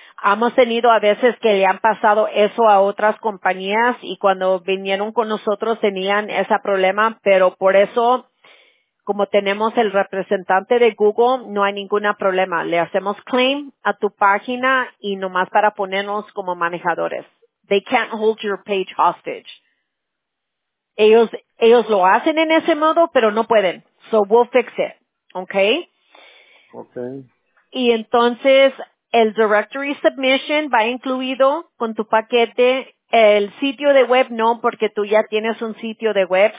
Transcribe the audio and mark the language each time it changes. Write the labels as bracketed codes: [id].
[es] Hemos tenido a veces que le han pasado eso a otras compañías y cuando vinieron con nosotros tenían ese problema, pero por eso, como tenemos el representante de Google, no hay ningún problema. Le hacemos claim a tu página y nomás para ponernos como manejadores. [en] They can't hold your page hostage. [es] Ellos lo hacen en ese modo, pero no pueden. [en] So we'll fix it. Okay? Okay. [es] Y entonces, el directory submission va incluido con tu paquete. El sitio de web no, porque tú ya tienes un sitio de web.